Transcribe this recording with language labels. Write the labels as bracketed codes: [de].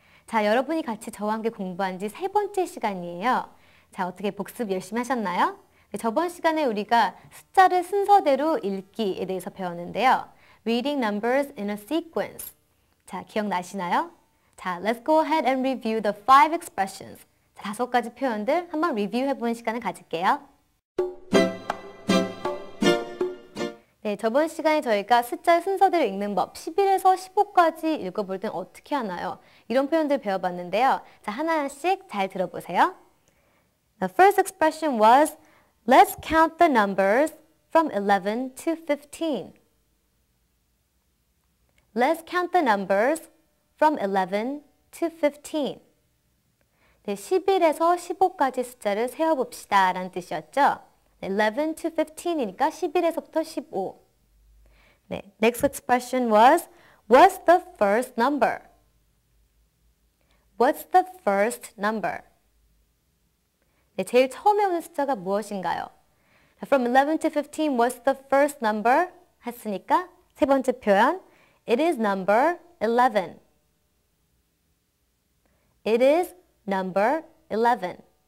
[ko] 자, 여러분이 같이 저와 함께 공부한 지 세 번째 시간이에요. 자, 어떻게 복습 열심히 하셨나요? 저번 시간에 우리가 숫자를 순서대로 읽기에 대해서 배웠는데요. [en] Reading numbers in a sequence. [ko] 자, 기억나시나요? [en] 자, let's go ahead and review the five expressions. [ko] 자, 다섯 가지 표현들 한번 리뷰해보는 시간을 가질게요. 네, 저번 시간에 저희가 숫자의 순서대로 읽는 법 11에서 15까지 읽어볼 땐 어떻게 하나요? 이런 표현들 배워봤는데요. 자, 하나씩 잘 들어보세요. [en] The first expression was Let's count the numbers from 11 to 15. Let's count the numbers from 11 to 15. [ko] 네, 11에서 15까지 숫자를 세어봅시다 라는 뜻이었죠. 네, 11 to 15이니까 11에서부터 15. [en] 네, next expression was, what's the first number? What's the first number? [ko] 네, 제일 처음에 오는 숫자가 무엇인가요? [en] From 11 to 15, what's the first number? [ko] 했으니까 세 번째 표현, [en] it is number 11. It is number 11.